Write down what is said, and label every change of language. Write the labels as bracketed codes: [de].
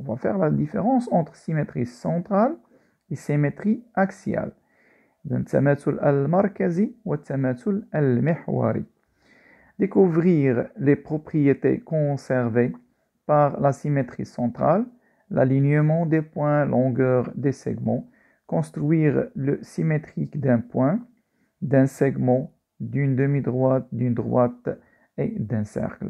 [fr] On va faire la différence entre symétrie centrale et symétrie axiale. [ar] التماثل المركزي والتماثل المحوري. [fr] Découvrir les propriétés conservées par la symétrie centrale, l'alignement des points, longueur des segments, construire le symétrique d'un point, d'un segment, d'une demi-droite, d'une droite et d'un cercle.